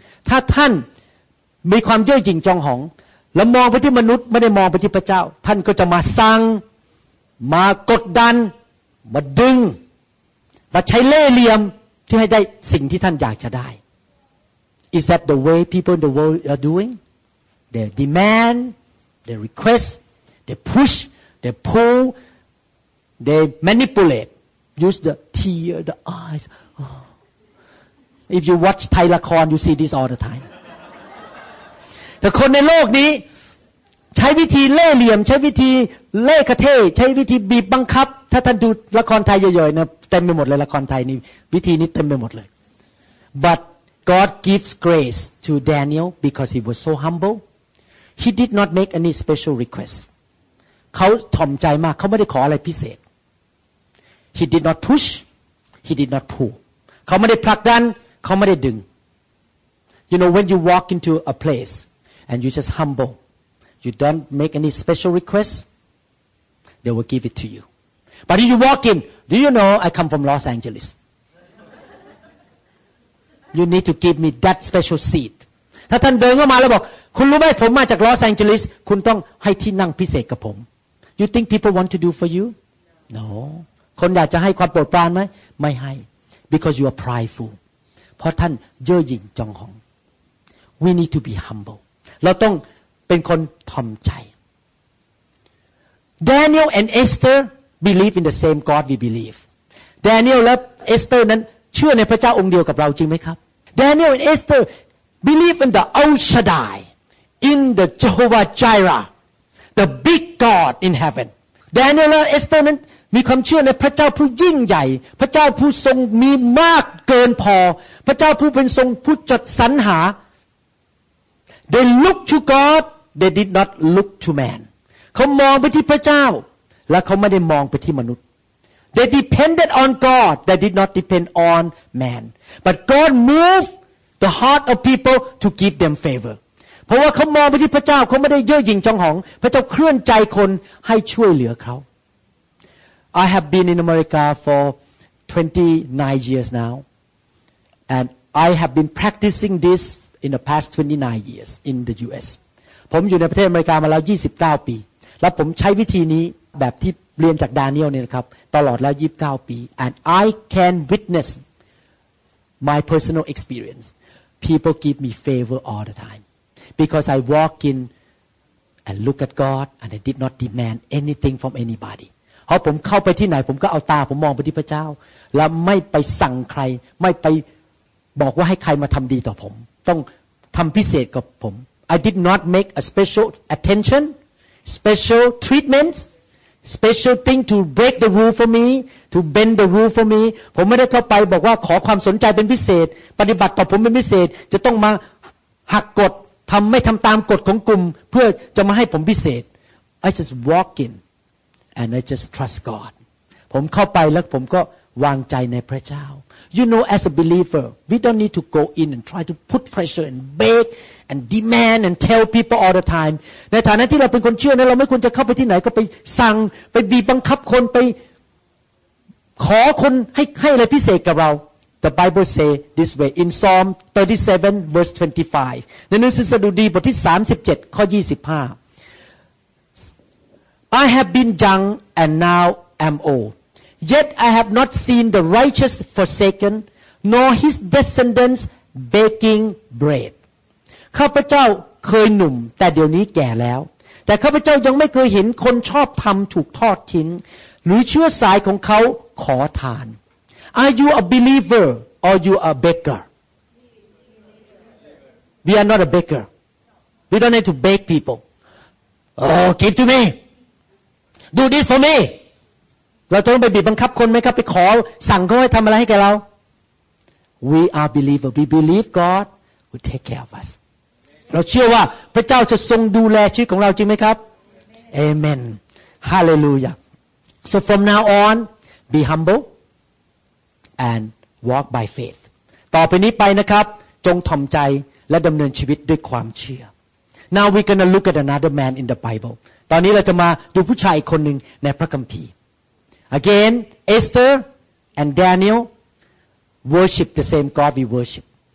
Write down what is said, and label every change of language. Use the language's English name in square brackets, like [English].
[Thai] ถ้าท่านมีความเย่อหยิ่งจองหองแล้วมองไปที่มนุษย์ไม่ได้มองไปที่พระเจ้าท่านก็จะมาสั่งมากดดันมาดึงมาใช้เล่ห์เหลี่ยมที่ให้ได้สิ่งที่ท่านอยากจะได้ [English] Is that the way people in the world are doing? They demand, they request, they push, they pull, they manipulate. Use the tear, the eyes. Oh. If you watch Thai Lakorn, you see this all the time. [Thai] The คนในโลกนี้ใช้วิธีเล่ห์เหลี่ยมใช้วิธีเล่ห์กระเทยใช้วิธีบีบบังคับถ้าท่านดูละครไทยเยอะๆนะเต็มไปหมดเลยละครไทยนี่วิธีนี้เต็มไปหมดเลย [English] But God gives grace to Daniel because he was so humble. He did not make any special request. [Thai] เขาถ่อมใจมากเขาไม่ได้ขออะไรพิเศษ [English] He did not push. He did not pull. [Thai] เขาไม่ได้ผลักดันเขาไม่ได้ดึง [English] You know, when you walk into a place and you just humble, you don't make any special request, they will give it to you. But if you walk in, do you know I come from Los Angeles? You need to give me that special seat. [Thai] ถ้าท่านเดินเข้ามาแล้วบอกคุณรู้ไหมผมมาจากลอสแองเจลิสคุณต้องให้ที่นั่งพิเศษกับผม [English] You think people want to do for you? No. [Thai] คนอยากจะให้ความโปรดปรานไหมไม่ให้ [English] Because you are prideful. [Thai] เพราะท่านเย่อหยิ่งจองหอง [English] We need to be humble. [Thai] เราต้องเป็นคนถ่อมใจ [English] Daniel and Esther believe in the same God we believe. Daniel [Thai] และ Esther นั้นเชื่อในพระเจ้าองค์เดียวกับเราจริงไหมครับ [English] Daniel and EstherBelieve in the El Shaddai, in the Jehovah Jireh, the big God in heaven. [Thai] Daniel and Esther นั้นมีความเชื่อในพระเจ้าผู้ยิ่งใหญ่พระเจ้าผู้ทรงมีมากเกินพอพระเจ้าผู้เป็นทรงผู้จัดสรรหา [English] They looked to God, they did not look to man. [Thai] เขามองไปที่พระเจ้าและเขาไม่ได้มองไปที่มนุษย์ [English] They depended on God, they did not depend on man. [Thai] But God movedThe heart of people to give them favor. เพราะว่าเขามองไปที่พระเจ้าเขาไม่ได้เย่อหยิ่งจองหองพระเจ้าเคลื่อนใจคนให้ช่วยเหลือเขา [English] I have been in America for 29 years now, and I have been practicing this in the past 29 years in the U.S. [Thai] ผมอยู่ในประเทศอเมริกามาแล้ว29ปีแล้วผมใช้วิธีนี้แบบที่เรียนจากดาเนียลเนี่ยนะครับตลอดแล้ว29ปี [English] and I can witness my personal experience. People give me favor all the time because I walk in and look at God and I did not demand anything from anybody. [Thai] พอผมเข้าไปที่ไหนผมก็เอาตาผมมองไปที่พระเจ้าแล้วไม่ไปสั่งใครไม่ไปบอกว่าให้ใครมาทำดีต่อผมต้องทำพิเศษกับผม [English] I did not make a special attention, special treatment, special thing to break the rule for me, to bend the rule for me. [Thai] ผมไม่ได้เข้าไปบอกว่าขอความสนใจเป็นพิเศษปฏิบัติต่อผมเป็นพิเศษจะต้องมาหักกฎทำไม่ทำตามกฎของกลุ่มเพื่อจะมาให้ผมพิเศษ [English] I just walk in and I just trust God. [Thai] ผมเข้าไปแล้วผมก็วางใจในพระเจ้า [English] You know, as a believer, we don't need to go in and try to put pressure and beg and demand and tell people all the time. [Thai] ในฐานะที่เราเป็นคนเชื่อนั้นเราไม่ควรจะเข้าไปที่ไหนก็ไปสั่งไปบีบบังคับคนไปขอคนให้อะไรพิเศษกับเรา [English] The Bible say this way in Psalm 37 verse 25. [Thai] ในหนังสือสดุดีบทที่37ข้อ25 [English] I have been young and now am old. Yet I have not seen the righteous forsaken, nor his descendants baking bread. [Thai] ข้าพเจ้าเคยหนุ่มแต่เดี๋ยวนี้แก่แล้วแต่ข้าพเจ้ายังไม่เคยเห็นคนชอบธรรมถูกทอดทิ้งหรือเชื้อสายของเขาขอทาน [English] Are you a believer or you a baker? We are not a baker. We don't need to bake people. Oh, give to me. Do this for me. [Thai] เราต้องไปบีบบังคับคนไหมครับไปขอสั่งเขาให้ทำอะไรให้แกเรา [English] We are believers. We believe God will take care of us. Amen. [Thai] เราเชื่อว่าพระเจ้าจะทรงดูแลชีวิตของเราจริงไหมครับ Amen. [English] Hallelujah. So from now on, be humble and walk by faith. [Thai] ต่อไปนี้ไปนะครับจงถ่อมใจและดำเนินชีวิตด้วยความเชื่อ [English] Now we're gonna look at another man in the Bible. [Thai] ตอนนี้เราจะมาดูผู้ชายคนหนึ่งในพระคัมภีร์ [English] Again, Esther and Daniel worship the same God we worship.